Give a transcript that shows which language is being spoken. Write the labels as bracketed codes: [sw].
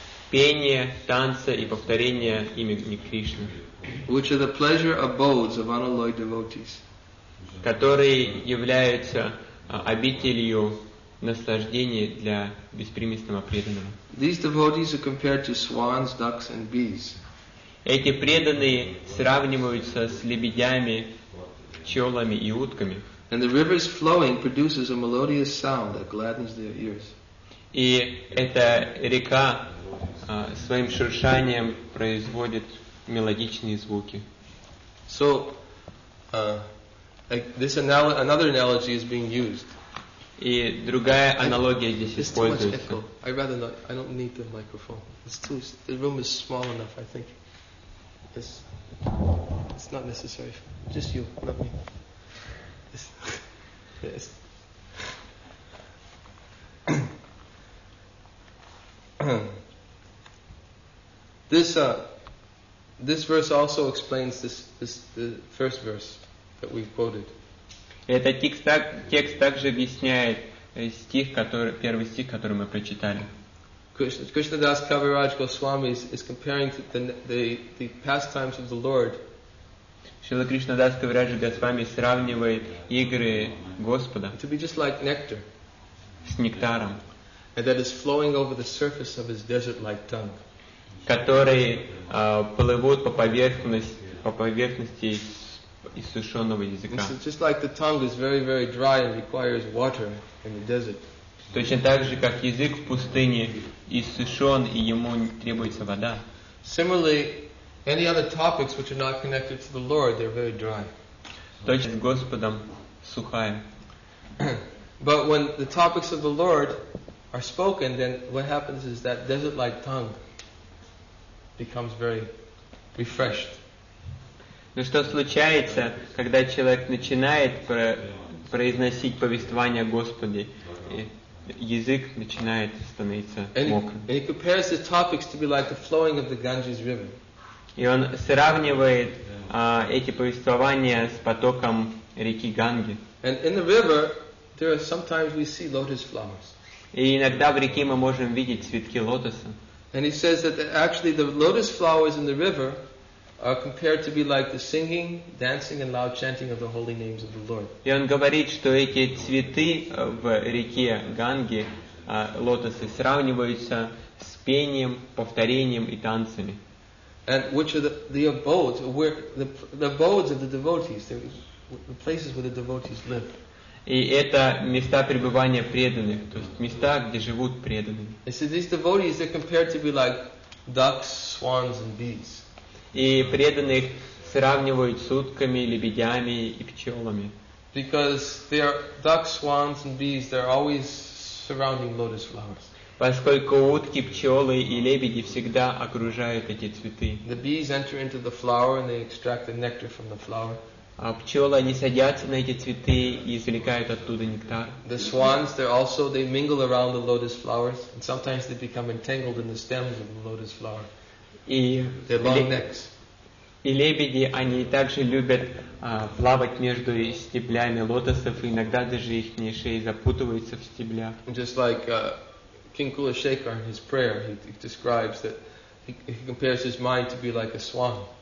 [ru] Пение, танца и повторение имени Кришны. [en] Which are the pleasure abodes of unalloyed devotees. [ru] Которые являются обителью наслаждения для беспримесного преданного. [en] These devotees are compared to swans, ducks, and bees. [ru] Эти преданные сравниваются с лебедями, пчелами и утками. [en] And the river's flowing produces a melodious sound that gladdens their ears. [ru] И эта река своим шуршанием производит мелодичные звуки. [en] So, another analogy is being used. [ru] И другая аналогия здесь используется. [en] I rather not. I don't need the microphone. It's too. The room is small enough. I think. It's not necessary. Just you, not me. This verse also explains this the first verse that we quoted. [ru] Этот текст также объясняет стих, который, первый стих, который мы прочитали. [en] Krishna Das Kaviraj Goswami is comparing the pastimes of the Lord. [ru] Шрила Кришна Дас Кавираджа Госвами сравнивает игры Господа [en] to be just like nectar, [ru] с нектаром, [en] and that is flowing over the surface of his desert-like tongue, [ru] которые плывут по поверхности иссушенного языка. [en] It's just like the tongue is very, very dry and requires water in the desert. [ru] Точно так же, как язык в пустыне иссушен, и ему требуется вода. [en] Similarly, any other topics which are not connected to the Lord, they're very dry. [ru] Точно с Господом сухая. [en] But when the topics of the Lord are spoken, then what happens is that desert-like tongue becomes very refreshed. [ru] Но что случается, когда человек начинает произносить повествование о Господе, язык начинает становиться мокрым. [en] And he compares the topics to be like the flowing of the Ganges River. [ru] И он сравнивает эти повествования с потоком реки Ганги. [en] And in the river, there are sometimes we see lotus flowers. [ru] И иногда в реке мы можем видеть цветки лотоса. [en] And he says that actually the lotus flowers in the river are compared to be like the singing, dancing, and loud chanting of the holy names of the Lord. [ru] И он говорит, что эти цветы в реке Ганги, лотосы, сравниваются с пением, повторением и танцами. [en] And which are the abodes, where the abodes of the devotees, the places where the devotees live. [ru] И это места пребывания преданных, то есть места, где живут преданные. [en] And so these devotees are compared to be like ducks, swans, and bees. [ru] И преданных сравнивают с утками, лебедями и пчелами. [en] Because they are ducks, swans, and bees, they're always surrounding lotus flowers. [ru] Поскольку утки, пчелы и лебеди всегда окружают эти цветы. [en] The bees enter into the flower and they extract the nectar from the flower. [ru] А пчелы, они садятся на эти цветы и извлекают оттуда нектар. [en] The swans, they're also, they mingle around the lotus flowers and sometimes they become entangled in the stems of the lotus flower. Their long necks. [ru] И лебеди, они также любят плавать между стеблями лотосов, и иногда даже их шеи запутываются в стеблях. [en] Just like King Kulashekar in his prayer, he describes that he compares his mind to be like a swan.